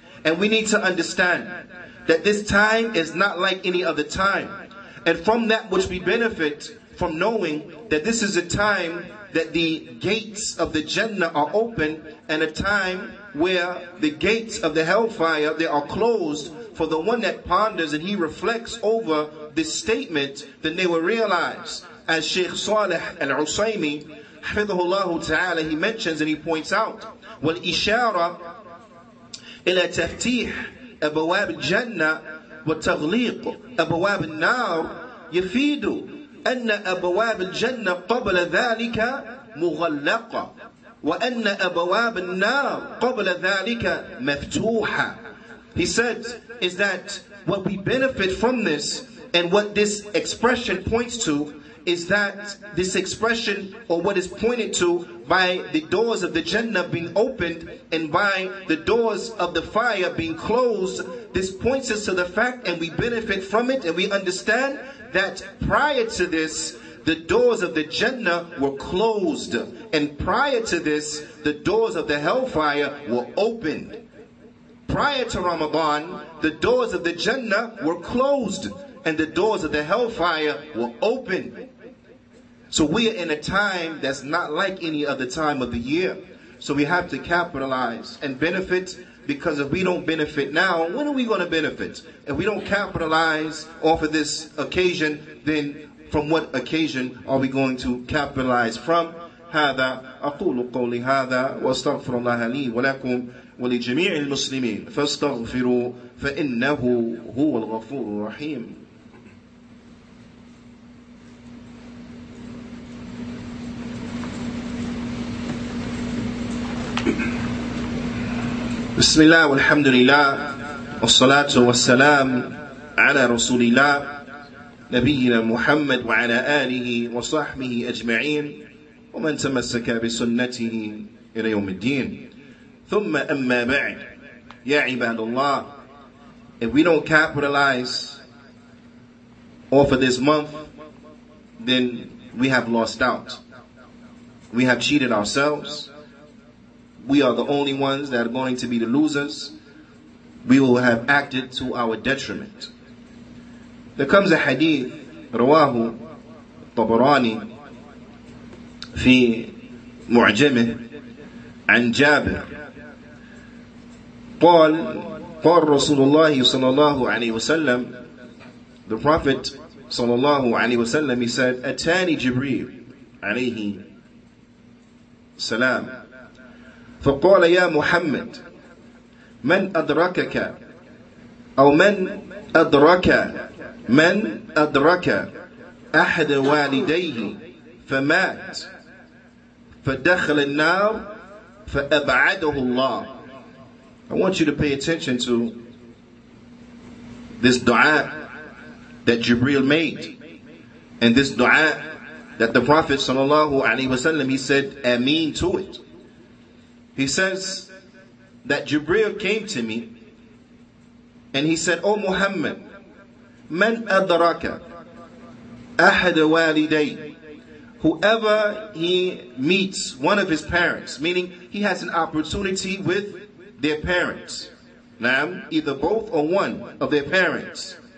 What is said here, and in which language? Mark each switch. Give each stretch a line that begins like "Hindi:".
English: And we need to understand that this time is not like any other time. And from that which we benefit from knowing that this is a time that the gates of the Jannah are open, and a time where the gates of the hellfire, they are closed. For the one that ponders and he reflects over this statement, then they will realize, as Shaykh Saleh al-Usaymi, hafidhahullah ta'ala, he mentions and he points out,
Arabic: والإشارة إلى تفتيح أبواب الجنة وتغليق أبواب النار يفيد أن أبواب الجنة قبل ذلك مغلقة وأن أبواب النار قبل ذلك مفتوحة.
English: He said, is that what we benefit from this, and what this expression points to, is that this expression, or what is pointed to by the doors of the Jannah being opened and by the doors of the fire being closed, this points us to the fact, and we benefit from it, and we understand that prior to this, the doors of the Jannah were closed, and prior to this, the doors of the hellfire were opened. Prior to Ramadan, the doors of the Jannah were closed, and the doors of the hellfire were open. So we are in a time that's not like any other time of the year. So we have to capitalize and benefit, because if we don't benefit now, when are we going to benefit? If we don't capitalize off of this occasion, then from what occasion are we going to capitalize from?
Arabic: هذا أقول قولي هذا وأستغفر الله لي ولكم ولجميع المسلمين فاستغفروا فإنه هو الغفور الرحيم. بسم الله والحمد لله والصلاة والسلام على رسول الله نبينا محمد وعلى آله وصحبه أجمعين ومن تمسك بسنته إلى يوم الدين. ثم أما بعد يا عباد الله,
English: if we don't capitalize off of this month, then we have lost out. We have cheated ourselves. we are the only ones that are going to be the losers. We will have acted to our detriment. There comes a hadith,
Arabic: رواه الطبراني في معجمه عن جابر قال قال رسول الله صلى الله عليه وسلم
English: the prophet
Arabic: صلى الله عليه وسلم
English: he said
Arabic: أتاني جبريل عليه السلام فقال يا محمد من أدركك أو من أدرك من أدرك أحد والديه فمات فدخل النار فأبعده الله.
English: I want you to pay attention to this dua that Jibreel made and this dua that the Prophet sallallahu alaihi wasallam he said ameen to it. He says that Jibreel came to me and he said, O Muhammad,
Arabic: man adraka ahad waliday,
English: whoever he meets one of his parents, meaning he has an opportunity with their parents, naam, either both or one of their parents,